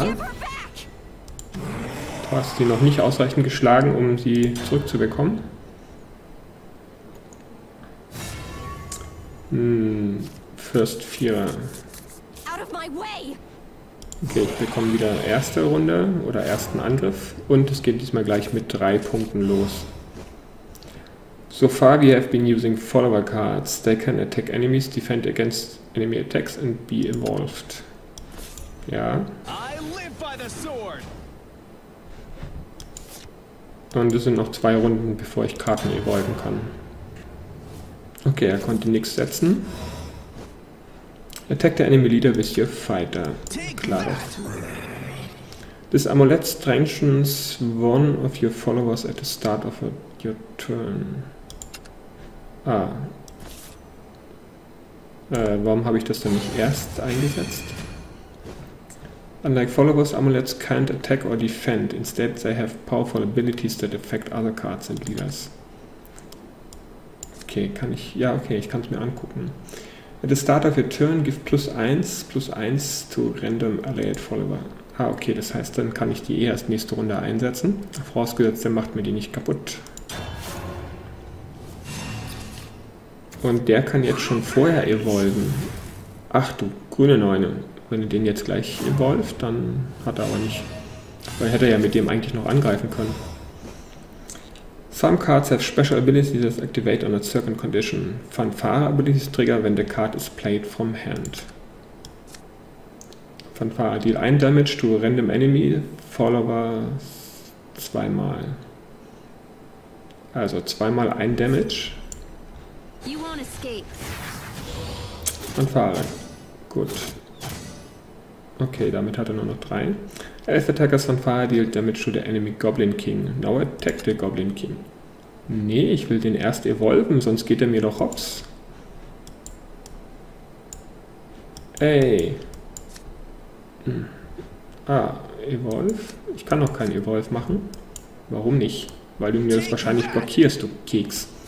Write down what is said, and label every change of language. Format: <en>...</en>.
<de>Du hast sie noch nicht ausreichend geschlagen, um sie zurückzubekommen. First Vierer.</de> <en>Out of my way.</en> <de>Okay, ich bekomme wieder erste Runde oder ersten Angriff und es geht diesmal gleich mit 3 Punkten los.</de> <en>So far we have been using follower cards. They can attack enemies, defend against enemy attacks and be evolved. Ja. I live by the sword.</en> <de>Und es sind noch 2 Runden, bevor ich Karten evolven kann. Okay, er konnte nichts setzen.</de> <en>Attack the enemy leader with your fighter.</en> <de>Klar.</de> <en>This amulet strengthens one of your followers at the start of your turn. Ah.</en> <de>Warum habe ich das denn nicht erst eingesetzt?</de> <en>Unlike followers, amulets can't attack or defend. Instead, they have powerful abilities that affect other cards and leaders.</en> <de>Okay, kann ich. Ja, okay, ich kann es mir angucken.</de> <en>At the start of your turn, give +1/+1 to random allied follower.</en> <de>Ah, okay, das heißt, dann kann ich die eh erst nächste Runde einsetzen. Vorausgesetzt, dann macht mir die nicht kaputt. Und der kann jetzt schon vorher evolven. Ach du, grüne Neune. Wenn er den jetzt gleich evolvt, dann hat er aber nicht. Dann hätte er ja mit dem eigentlich noch angreifen können.</de> <en>Some cards have special abilities that activate under certain conditions. Fanfare abilities trigger when the card is played from hand. Fanfare deal 1 damage to a random enemy, follower 2-mal. Also 2-mal 1 damage. You won't escape. Fanfare. Gut.</en> <de>Okay, damit hat er nur noch 3.</de> <en>Elf Attackers Fanfare deal damage to the enemy Goblin King. Now attack the Goblin King.</en> <de>Nee, ich will den erst evolven, sonst geht er mir doch hops. Ey. Ah, evolve. Ich kann noch keinen evolve machen. Warum nicht? Weil du mir das wahrscheinlich blockierst, du Keks.</de>